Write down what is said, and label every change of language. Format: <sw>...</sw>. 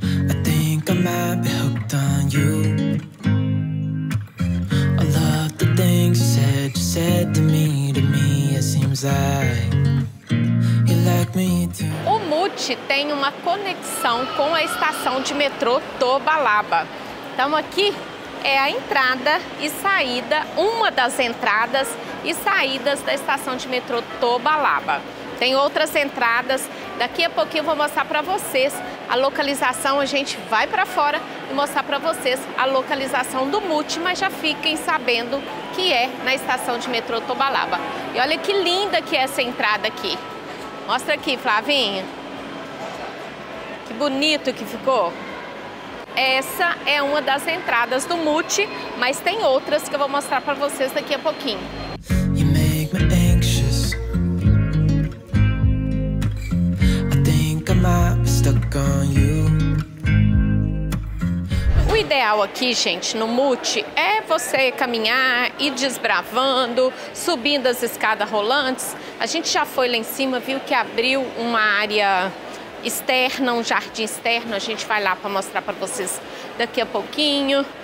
<en>I think I might be hooked on you. I love the things you said to me, it seems like you like me too.</en> <pt>O Muti tem uma conexão com a estação de metrô Tobalaba. Então aqui é a entrada e saída, uma das entradas e saídas da estação de metrô Tobalaba. Tem outras entradas, daqui a pouquinho eu vou mostrar para vocês a localização, a gente vai para fora e mostrar para vocês a localização do Muti, mas já fiquem sabendo que é na estação de metrô Tobalaba. E olha que linda que é essa entrada aqui. Mostra aqui, Flavinha. Que bonito que ficou. Essa é uma das entradas do Muti, mas tem outras que eu vou mostrar para vocês daqui a pouquinho.</pt> <en>You make me anxious. I think I might be stuck on you.</en> <pt>O ideal aqui, gente, no Muti, é você caminhar, ir desbravando, subindo as escadas rolantes. A gente já foi lá em cima, viu que abriu uma área externa, um jardim externo, a gente vai lá para mostrar para vocês daqui a pouquinho.</pt>